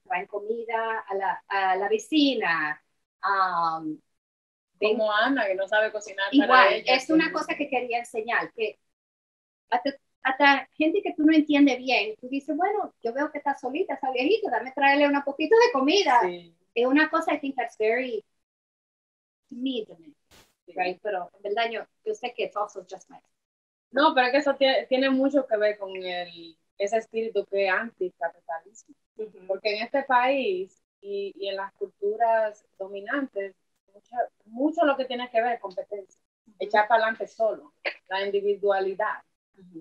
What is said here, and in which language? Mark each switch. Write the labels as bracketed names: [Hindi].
[Spanish] Traen comida a la vecina, como Ana, que no sabe cocinar. Igual, para ella, es una cosa que quería enseñar, que hasta gente que tú no entiendes bien, tú dices, bueno, yo veo que está solita, está viejita, dame traerle un poquito de comida. Sí. Es una cosa, [English] I think that's very neat to me. [Spanish] Sí. [English] Right? [Spanish] Pero en verdad yo sé que [English] it's also just my. [Spanish] No, pero es que eso tiene mucho que ver con ese espíritu que es anticapitalismo. Uh-huh. Porque en este país y en las culturas dominantes, mucho lo que tiene que ver competencia, echar para adelante solo, la individualidad. Uh-huh.